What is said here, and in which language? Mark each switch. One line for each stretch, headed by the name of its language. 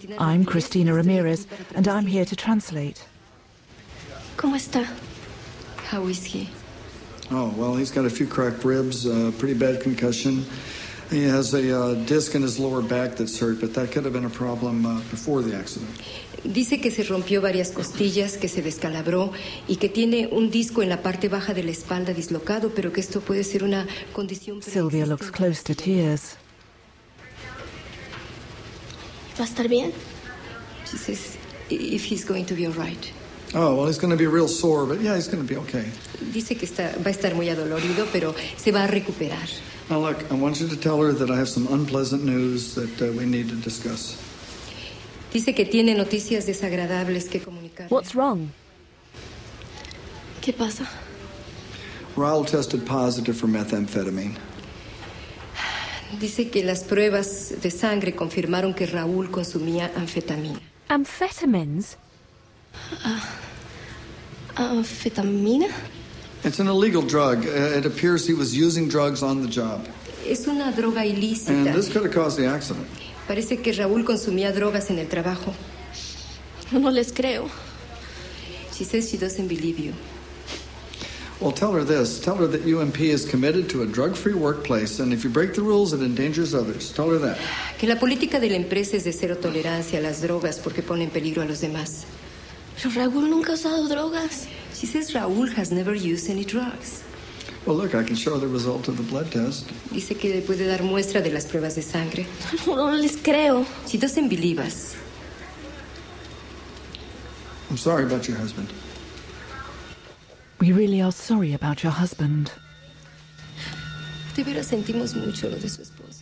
English: I'm Cristina Ramirez, and I'm here to translate.
Spanish: ¿Cómo está?
English: How is he? Oh, well, he's got a few cracked ribs, a pretty bad concussion. He has a disc in his lower back that's hurt, but that could have been a problem before the accident.
Spanish: Dice que se rompió varias costillas, que se descalabró, y que tiene un disco en la parte baja de la espalda dislocado, pero que esto puede ser una condición...
English: Sylvia looks close to tears.
Spanish: ¿Va a estar bien?
English: She says, if he's going to be all right. Oh, well, he's going to be real sore, but yeah, he's going to be okay.
Spanish: Dice que está, va a estar muy adolorido, pero se va a recuperar.
English: Now, look, I want you to tell her that I have some unpleasant news that we need to discuss.
Spanish: Dice que tiene noticias desagradables que comunicar.
English: What's wrong?
Spanish: ¿Qué pasa?
English: Raul tested positive for methamphetamine.
Spanish: Dice que las pruebas de sangre confirmaron que Raul consumía anfetamina.
English: Amphetamines?
Spanish: Amfetamina?
English: It's an illegal drug. It appears he was using drugs on the job.
Spanish: Es una droga ilícita.
English: And this could have caused the accident.
Spanish: Parece que Raúl consumía drogas en el trabajo. No les creo.
English: She says she doesn't believe you. Well, tell her this. Tell her that UMP is committed to a drug-free workplace, and if you break the rules, it endangers others. Tell her that.
Spanish: Que la política de la empresa es de cero tolerancia a las drogas porque pone en peligro a los demás. Pero Raúl nunca ha usado drogas.
English: She says Raúl has never used any drugs. Well, look, I can show the result of the blood test.
Spanish: Dice que le puede dar muestra de las pruebas de sangre. No les creo.
English: She doesn't believe us. I'm sorry about your husband. We really are sorry about your husband.
Spanish: De veras sentimos mucho lo de su esposo.